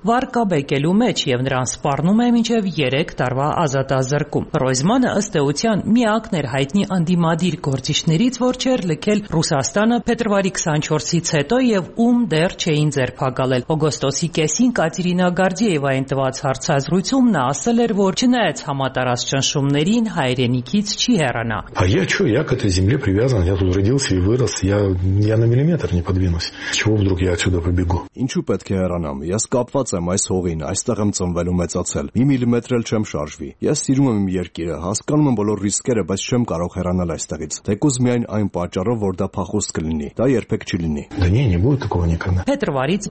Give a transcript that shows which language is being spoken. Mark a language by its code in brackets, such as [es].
[hy] վարկաբեկելու մեջ և նրան սպառնում է մինչև 3 տարվա ազատազրկում։ Ռոզմանը ըստ էության միակն էր հայտնի անդիմադիր գործիչներից, որ չէր լքել Ռուսաստանը փետրվարի 24-ից հետո և ում դեռ չէին ձերբակալել։ Օգոստոսի կեսին Կատերինա Գարդիևային տված հարցազրույցում նա ասել էր, որ չնայած համատարած ճնշումներին հայրենիքից չի հեռանա։ [ru] Я к этой земле привязан, я тут родился и вырос, я на миллиметр не подвинусь. Чего вдруг я отсюда побегу? [hy] Ինչու պետք է հեռանամ։ Ես կապված եմ այս հողին, այստեղ եմ ծնվել ու մեծացել։ Մի միլիմետր էլ չեմ շարժվի։ Ես սիրում եմ իմ երկիրը, հասկանում եմ բոլոր ռիսկերը, բայց չեմ կարող հեռանալ այստեղից։ Թեկուզ միայն այն պատճառով, որ դա փախուստ կլինի, դա երբեք չլինի։ Պետրվարից